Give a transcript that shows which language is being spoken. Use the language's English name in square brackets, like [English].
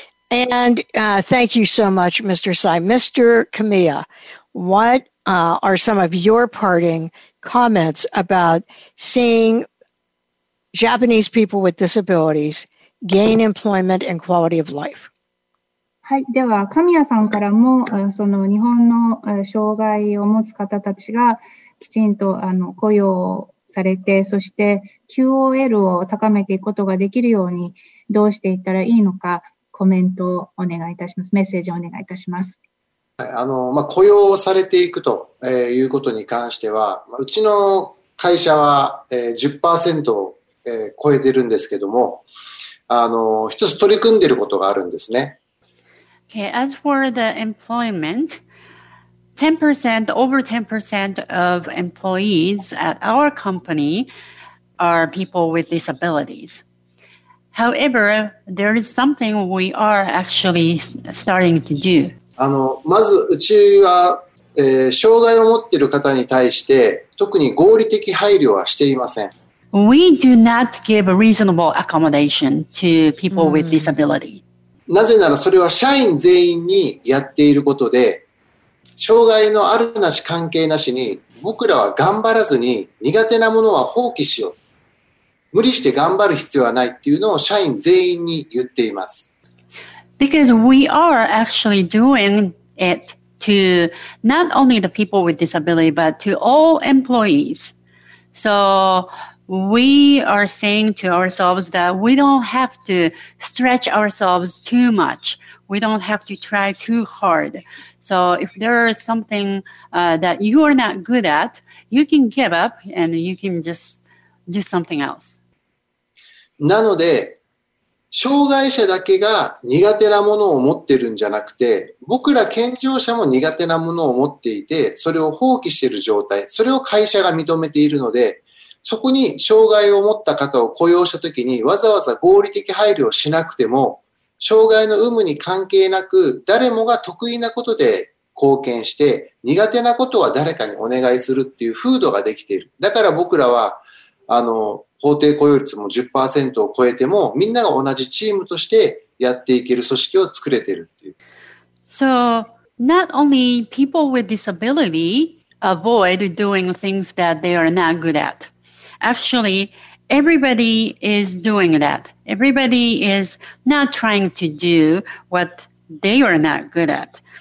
[English] And thank you so much, Mr. Sai. Mr. Kamiya, what are some of your parting comments about seeing Japanese people with disabilities gain employment and quality of life? [Japanese] はい、では神谷さんからも、その日本の障害を持つ方たちがきちんと雇用されて、そして QOL を高めていくことができるようにどうしていったらいいのか、コメントをお願いいたします。メッセージをお願いいたします。まあ、雇用されていくということに関しては、うちの会社は 10% を超えてるんですけども、一つ取り組んでることがあるんですね。 [English] Okay, as for the employment, 10%, over 10% of employees at our company are people with disabilities. However, there is something we are actually starting to do. [Japanese] まずうちは、障害を持っている方に対して特に合理的配慮はしていません。 [English] We do not give a reasonable accommodation to people with disability. [Japanese] なぜならそれは社員全員にやっていることで、障害のあるなし関係なしに僕らは頑張らずに苦手なものは放棄しよう。無理して頑張る必要はないっていうのを社員全員に言っています。 [English] Because we are actually doing it to not only the people with disability, but to all employees. So we are saying to ourselves that we don't have to stretch ourselves too much. We don't have to try too hard. So if there is something that you are not good at, you can give up and you can just do something else. [Japanese] なので、障害者だけが苦手なものを持ってるんじゃなくて、僕ら健常者も苦手なものを持っていて、それを放棄している状態、それを会社が認めているので、そこに障害を持った方を雇用したときに、わざわざ合理的配慮をしなくても、障害の有無に関係なく、誰もが得意なことで貢献して、苦手なことは誰かにお願いするっていう風土ができている。だから僕らは、法定雇用率も 10% を超えても、みんなが同じチームとしてやっていける組織を作れているっていう。 [English] So, not only people with disability avoid doing things that they are not good at. Actually, everybody is doing that. Everybody is not trying to do what they are not good at.